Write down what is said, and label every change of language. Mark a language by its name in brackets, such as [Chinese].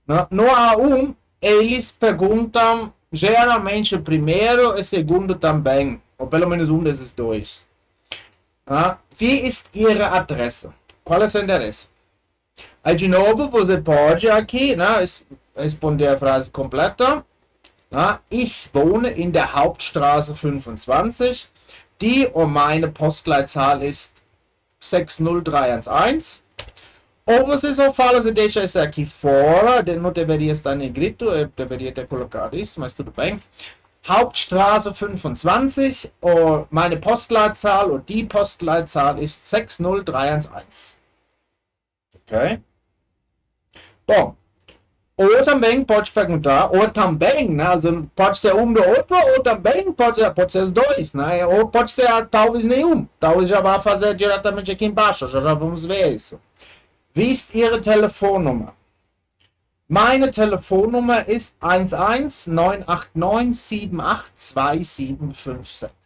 [Portuguese] No A1, eles perguntam geralmente o primeiro e o segundo também. Ou pelo menos um desses dois. [German] Wie ist Ihre Adresse? [Portuguese] Qual é o seu endereço? Aí de novo, você pode aqui, né, responder a frase completa. [German] Ich wohne in der Hauptstraße 25. Die und meine Postleitzahl ist 60311. [Portuguese] Ou você só fala, você deixa isso aqui fora, não deveria estar negrito, eu deveria ter colocado isso, mas tudo bem. [German] Hauptstraße 25, [Portuguese] ou [German] meine Postleitzahl, ou die Postleitzahl ist 60311. [Portuguese] Ok? Bom. Ou também pode perguntar, ou também, né? Also, pode ser um do outro, ou também pode ser os dois, né? Ou pode ser talvez nenhum. Talvez já vá fazer diretamente aqui embaixo, já vamos ver isso. [German] Wie ist Ihre Telefonnummer? Meine Telefonnummer ist 11-989-78-2756.